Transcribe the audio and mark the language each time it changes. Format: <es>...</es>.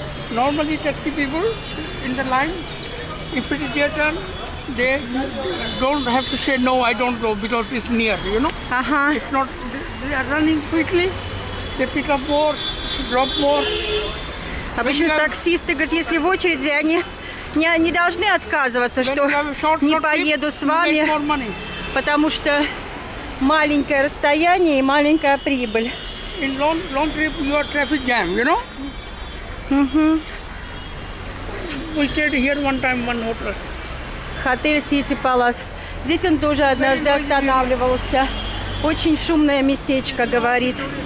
<en>Normally taxi people in the line, if it is your turn, they don't have to say no, I don't go, because it's near, you know. Uh-huh. If not, they are running quickly, they pick up more, drop more.</en> <ru>Обычно таксисты говорят, если в очереди, они не должны отказываться, что не поеду с вами, потому что маленькое расстояние и маленькая прибыль.</ru> <en>In long trip, you are traffic jam, you know. Угу. We stayed here one time, one hotel.</en> <ru>Хотель City Palace. Здесь он тоже однажды останавливался. Очень шумное местечко, говорит.</ru>